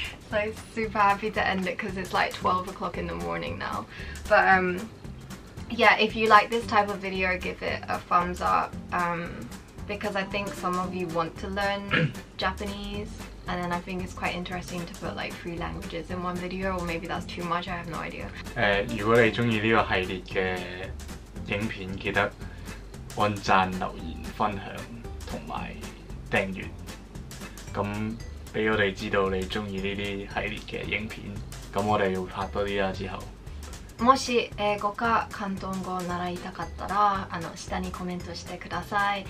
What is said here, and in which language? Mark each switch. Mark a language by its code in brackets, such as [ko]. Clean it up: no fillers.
[en] So super happy to end it because it's like 12 o'clock in the morning now. But yeah, if you like this type of video, give it a thumbs up. Because I think some of you want to learn Japanese, and then I think it's quite interesting to put like three languages in one video, or maybe that's too much, I have no idea. [yue] 如果你喜歡這個系列的影片，記得按讚、留言、分享同埋訂閱，咁俾我哋知道你喜歡這些系列的影片，咁我哋會拍多啲啦之後。 [ja] もし英語か広東語を習いたかったら下にコメントしてください。